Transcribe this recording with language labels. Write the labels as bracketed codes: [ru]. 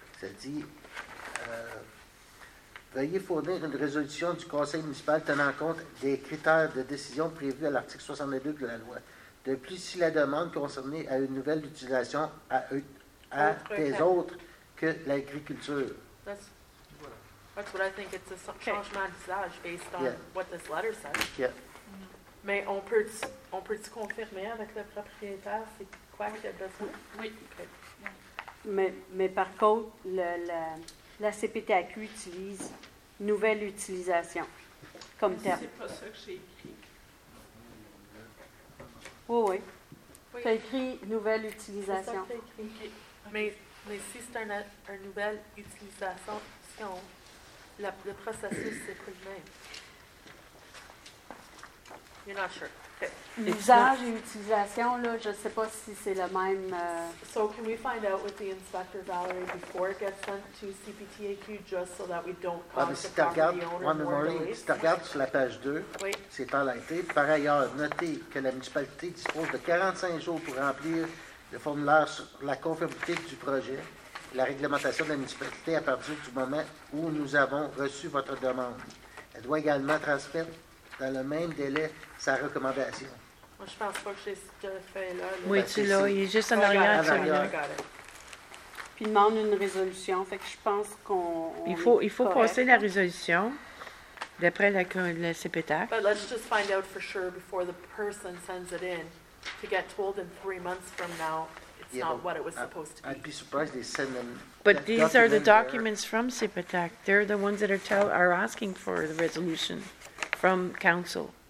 [fr] Ça dit veuillez fournir une résolution du conseil municipal tenant compte des critères de décision prévus à l'article 62 de la loi. De plus, si la demande concernée a une nouvelle utilisation à des autres que l'agriculture. [en] That's what I think. It's a [fr] changement d'usage [en] based on what this letter says. Yeah. Mm-hmm. [fr] Mais on peut-tu confirmer avec le propriétaire c'est quoi qu'il a besoin? Oui. Okay. Mais par contre, la CPTAQ utilise nouvelle utilisation comme terme. C'est pas ça que j'ai écrit. Oui, oui. Tu as écrit nouvelle utilisation. C'est ça que j'ai écrit. Okay. Mais si c'est une nouvelle utilisation, si on... Le processus, c'est plus le même. [en] You're not sure. Okay. [fr] L'usage et l'utilisation, là, je ne sais pas si c'est le même... [en] So can we find out with the inspector, Valerie, before it gets sent to CPTAQ, just so that we don't cause the property owner more delays? [fr] Si tu regardes sur la page 2, c'est enlighté. Par ailleurs, notez que la municipalité dispose de 45 jours pour remplir le formulaire sur la conformité du projet. La réglementation de la municipalité à partir du moment où nous avons reçu votre demande. Elle doit également transmettre dans le même délai sa recommandation. Moi, je pense pas que j'ai ce fait là. Oui, tu l'as. Il est juste en arrière. Puis il demande une résolution. Fait que je pense qu'on... Il faut passer la résolution d'après la CPTAC. [en] But let's just find out for sure before the person sends it in to get told in 3 months from now. I'd be surprised they send them. But these are the documents from CIPATAC. They're the ones that are asking for the resolution from council.